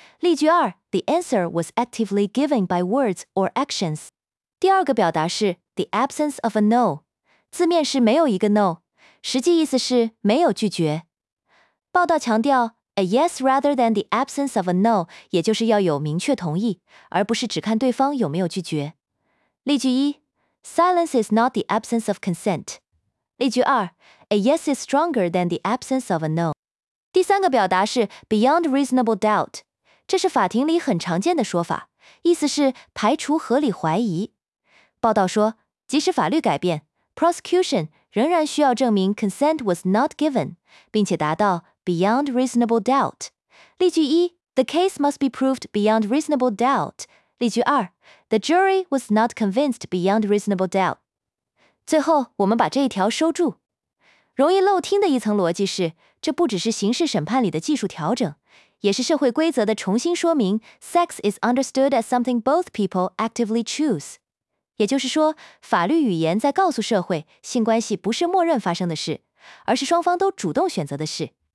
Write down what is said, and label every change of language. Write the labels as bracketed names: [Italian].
[Chinese] 例句二 [English] ,the answer was actively given by words or actions. [Chinese] 第二个表达是 [English] the absence of a no. [Chinese] 字面是没有一个 no, 实际意思是没有拒绝。报道强调 , [English] a yes rather than the absence of a no, [Chinese] 也就是要有明确同意，而不是只看对方有没有拒绝。例句一 [English] ,silence is not the absence of consent. [Chinese] 例句二 [English] ,a yes is stronger than the absence of a no. [Chinese] 第三个表达是 beyond reasonable doubt, 这是法庭里很常见的说法，意思是排除合理怀疑。报道说，即使法律改变，Prosecution 仍然需要证明 consent was not given, 并且达到 [English] beyond reasonable doubt. [Chinese] 例句一 [English] ,the case must be proved beyond reasonable doubt. [Chinese] 例句二 [English] ,the jury was not convinced beyond reasonable doubt. [Chinese] 最后我们把这一条收住。容易漏听的一层逻辑是，这不只是刑事审判里的技术调整，也是社会规则的重新说明 , [English] sex is understood as something both people actively choose. [Chinese] 也就是说，法律语言在告诉社会，性关系不是默认发生的事，而是双方都主动选择的事。